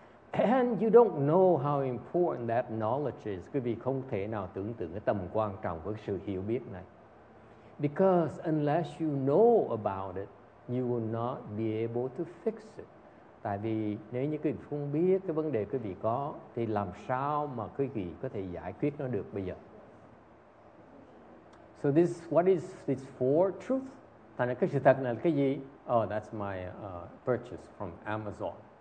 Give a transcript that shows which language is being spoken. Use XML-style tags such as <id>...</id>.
<en>And you don't know how important that knowledge is.</en> <vi>Quý vị không thể nào tưởng tượng cái tầm quan trọng của sự hiểu biết này.</vi> <en>Because unless you know about it, you will not be able to fix it.</en> <vi>Tại vì nếu như quý vị không biết cái vấn đề quý vị có, thì làm sao mà quý vị có thể giải quyết nó được bây giờ?</vi> <en>So this, what is this four truth?</en> <vi>Thành ra cái sự thật này là cái gì?</vi> <en>Oh, that's my purchase from Amazon.</en>